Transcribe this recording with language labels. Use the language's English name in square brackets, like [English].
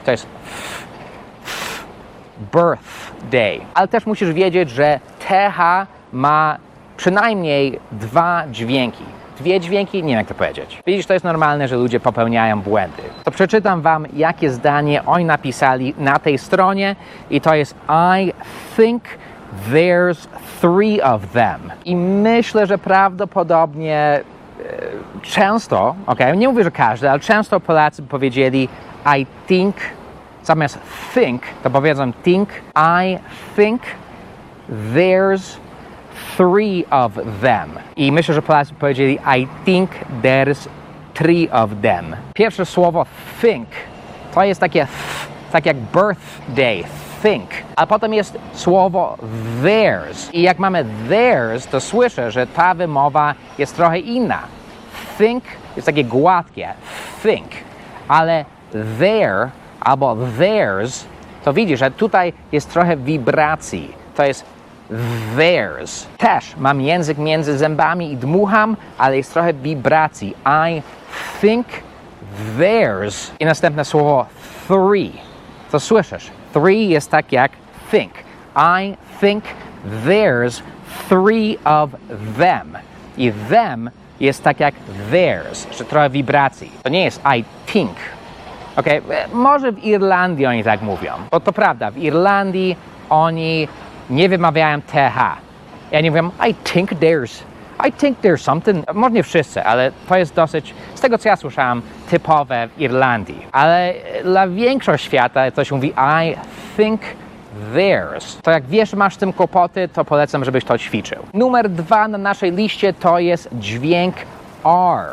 [Polish] To jest birthday. Ale też musisz wiedzieć, że TH ma przynajmniej 2 dźwięki. 2 dźwięki? Nie wiem, jak to powiedzieć. Widzisz, to jest normalne, że ludzie popełniają błędy. To przeczytam wam, jakie zdanie oni napisali na tej stronie. I to jest [English] I think there's 3 of them. [Polish] I myślę, że prawdopodobnie często, okej, okay, nie mówię, że każdy, ale często Polacy by powiedzieli [English] I think, [Polish] zamiast think, to powiedzą think. [English] I think there's 3 of them. [Polish] I myślę, że Polacy powiedzieli [English] I think there's three of them. [Polish] Pierwsze słowo think to jest takie th, tak jak birthday, think. A potem jest słowo theirs. I jak mamy theirs, to słyszę, że ta wymowa jest trochę inna. Think jest takie gładkie, think. Ale their albo theirs, to widzisz, że tutaj jest trochę wibracji. To jest theirs. Też mam język między zębami i dmucham, ale jest trochę wibracji. [English] I think theirs. [Polish] I następne słowo three. To słyszysz. Three jest tak jak think. [English] I think there's three of them. [Polish] I them jest tak jak theirs. Że trochę wibracji. To nie jest [English] I think. [Polish] Ok, może w Irlandii oni tak mówią. Bo to prawda, w Irlandii oni nie wymawiają TH. Ja nie wiem, [English] I think there's something. [Polish] Może nie wszyscy, ale to jest dosyć, z tego co ja słyszałem, typowe w Irlandii. Ale dla większości świata ktoś mówi, [English] I think there's. [Polish] To jak wiesz, masz z tym kłopoty, to polecam, żebyś to ćwiczył. Numer dwa na naszej liście to jest dźwięk R.